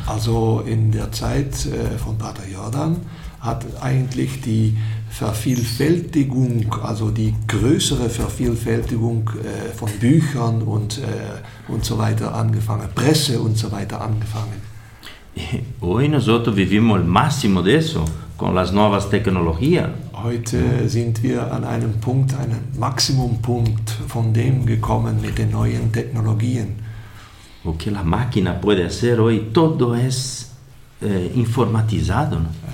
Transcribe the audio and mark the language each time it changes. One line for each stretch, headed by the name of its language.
German: Also in der Zeit von Padre Jordán hat eigentlich die Vervielfältigung, also die größere Vervielfältigung von Büchern und so weiter angefangen, Presse und so weiter angefangen.
Spanish: Hoy nosotros vivimos el máximo de eso con las nuevas tecnologías.
German: Heute sind wir an einem Punkt, einem Maximumpunkt von dem gekommen mit den neuen Technologien.
Spanish: Lo que la máquina puede hacer hoy todo es informatizado, ¿no?